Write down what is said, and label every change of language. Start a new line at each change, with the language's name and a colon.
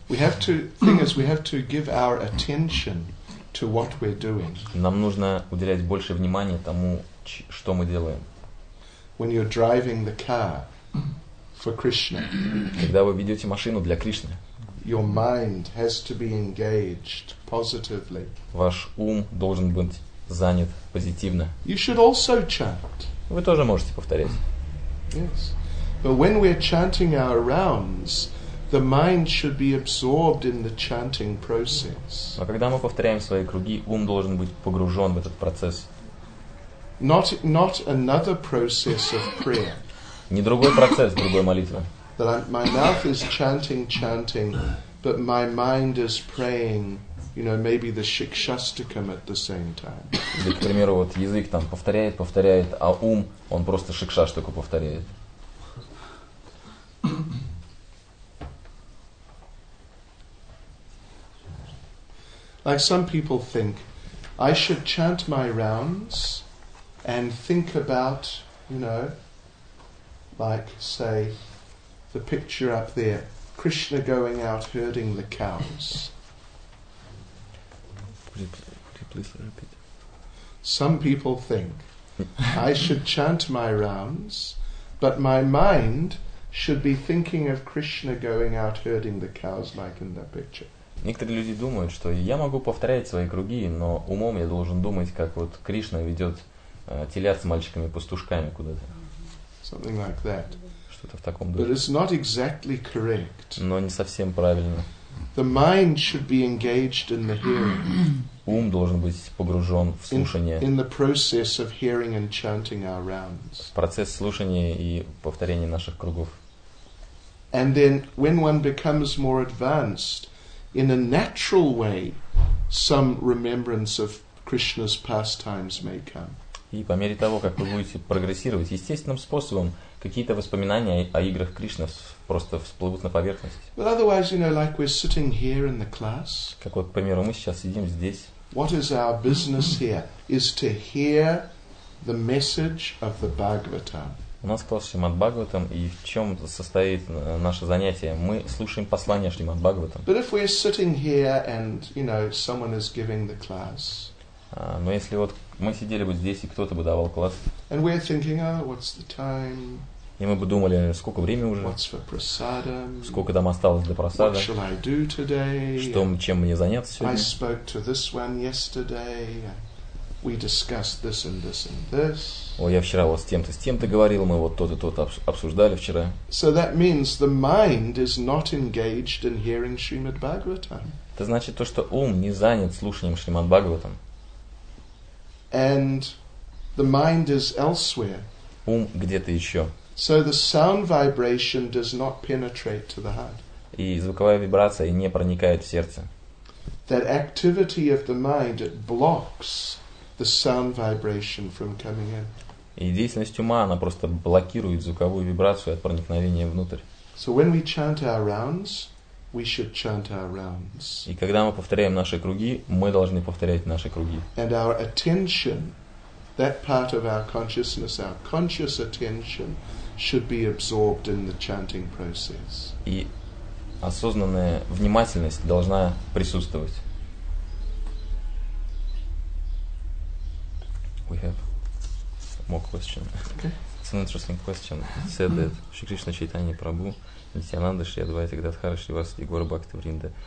English: We have to, thing is, we have to give our attention to what we're doing.
Russian: Нам нужно уделять больше внимания тому, что мы делаем.
English: When you're driving the car for Krishna.
Russian: Когда вы ведете машину для Кришны.
English: Your mind has to be engaged positively.
Russian: Ваш ум должен быть занят позитивно.
English: You should also chant.
Russian: Вы тоже можете повторять.
English: Yes. But when we're chanting our rounds, the mind should be absorbed in the chanting process.
Russian: Но когда мы повторяем свои круги, ум должен быть погружен в этот процесс.
English: Not another process of prayer.
Russian: Не другой процесс, другой молитвы.
English: That my mouth is chanting, but my mind is praying. You know, maybe the shikshastikam at the same time.
Russian: Или, к примеру, вот язык там повторяет, а ум он просто шикшаштику повторяет.
English: Like some people think, I should chant my rounds and think about, you know, like, say, the picture up there, Krishna going out herding the cows. Could you please repeat? Some people think, I should chant my rounds, but my mind should be thinking of Krishna going out herding the cows, like in that picture.
Russian: Некоторые люди думают, что я могу повторять свои круги, но умом я должен думать, как вот Кришна ведет телят с мальчиками-пастушками куда-то.
English: Something like that.
Russian: Что-то в таком духе.
English: But it's not exactly correct.
Russian: Но не совсем правильно.
English: The mind should be engaged in the hearing.
Russian: Ум должен быть погружен в слушание.
English: In the process of hearing and chanting our rounds.
Russian: В процесс слушания и повторения наших кругов.
English: And then when one becomes more advanced, in a natural way, some remembrance of Krishna's pastimes may come.
Russian: И по мере того, как вы будете прогрессировать, естественным способом какие-то воспоминания о играх Кришны просто всплывут на поверхность.
English: But otherwise, you know, like we're sitting here in the class.
Russian: Как вот, к примеру, мы сейчас сидим здесь.
English: What is our business here? Is to hear the message of the Bhagavatam.
Russian: У нас класс Шримад-Бхагаватам, и в чем состоит наше занятие? Мы слушаем послание Шримад-Бхагаватам.
English: But if we're sitting here and, you know, someone is giving the class.
Russian: Но если вот мы сидели бы здесь и кто-то бы давал класс.
English: And we're thinking, oh, what's the time?
Russian: И мы бы думали, сколько времени уже?
English: What's for prasadam?
Russian: Сколько там осталось для просады?
English: What shall I do today?
Russian: Что, чем мне заняться сегодня?
English: I spoke to this one yesterday. We discussed this and this and this.
Russian: О, я вчера вот с тем-то говорил, мы вот тот и тот обсуждали вчера.
English: So that means the mind is not engaged in hearing Shrimad Bhagavatam.
Russian: Это значит то, что ум не занят слушанием Шримад Бхагаватам.
English: And the mind is elsewhere.
Russian: Ум где-то еще.
English: So the sound vibration does not penetrate to the heart.
Russian: И звуковая вибрация не проникает в сердце.
English: That activity of the mind, it blocks the sound vibration from coming in.
Russian: И деятельность ума, она просто блокирует звуковую вибрацию от проникновения внутрь.
English: So when we chant our rounds, we should chant our rounds.
Russian: И когда мы повторяем наши круги, мы должны повторять наши круги.
English: And our attention, that part of our conscious attention, should be absorbed in the chanting process.
Russian: И осознанная внимательность должна присутствовать.
English: We have more question. Okay. It's an interesting question. It said that Shri Krishna Chaitanya Prabhu Nityananda Shri Advaita Gadadhara Shri Vasa Igora Bhakta Vrinda.